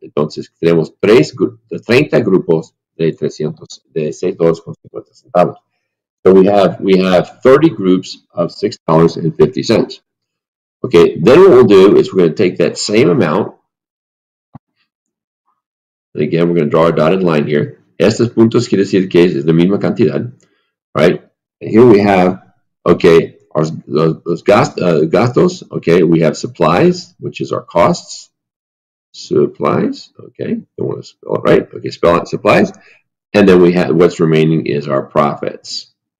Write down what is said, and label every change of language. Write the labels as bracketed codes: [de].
[es] Entonces tenemos 30 grupos de 300 de $6.50. [en] So we have 30 groups of $6.50. Okay. Then what we'll do is we're going to take that same amount. And again, we're going to draw a dotted line here. [es] Estos puntos quiere decir que es la misma cantidad. [en] Right, and here we have, okay, los gastos, okay, we have supplies, which is our costs, supplies, okay, don't want to spell it right, okay, spell out supplies, and then we have, what's remaining is our profits.